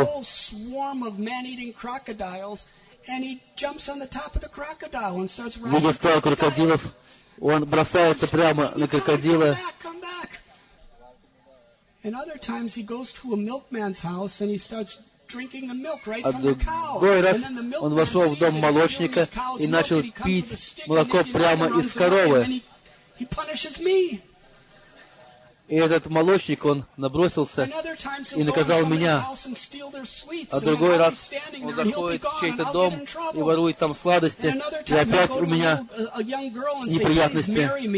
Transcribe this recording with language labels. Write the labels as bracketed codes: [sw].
[en] A whole swarm of man-eating crocodiles, and he jumps on the top of the crocodile and starts running. [ru] Видя стаю крокодилов, он бросается прямо на крокодила. [en] Come back. And other times he goes to a milkman's house and he starts [ru] А другой раз он вошел в дом молочника и начал пить молоко прямо из коровы. И этот молочник, он набросился и наказал меня. А другой раз он заходит в чей-то дом и ворует там сладости, и опять у меня неприятности.